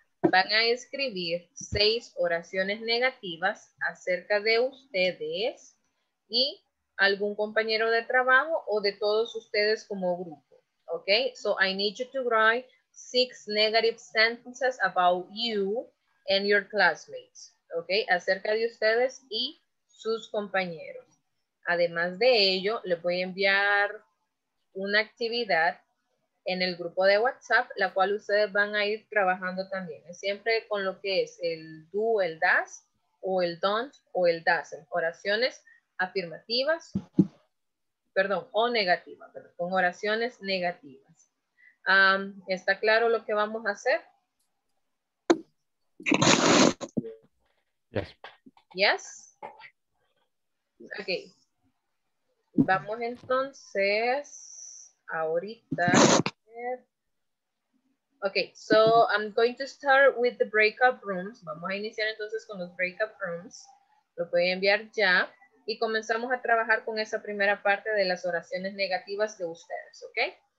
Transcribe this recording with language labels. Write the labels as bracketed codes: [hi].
[es] Van a escribir 6 oraciones negativas acerca de ustedes y algún compañero de trabajo o de todos ustedes como grupo. [en] Okay, so I need you to write 6 negative sentences about you and your classmates. [es] Okay, acerca de ustedes y sus compañeros. Además de ello, les voy a enviar una actividad en el grupo de WhatsApp, la cual ustedes van a ir trabajando también. Siempre con lo que es el do, el does, o el don't, o el doesn't. Oraciones afirmativas. Perdón, o negativa, pero con oraciones negativas. ¿Está claro lo que vamos a hacer? [en] Yes. [es] Yes. Ok. Vamos entonces ahorita. [en] Ok, so I'm going to start with the breakout rooms. [es] Vamos a iniciar entonces con los breakout rooms. Lo voy a enviar ya. Y comenzamos a trabajar con esa primera parte de las oraciones negativas de ustedes, ¿ok?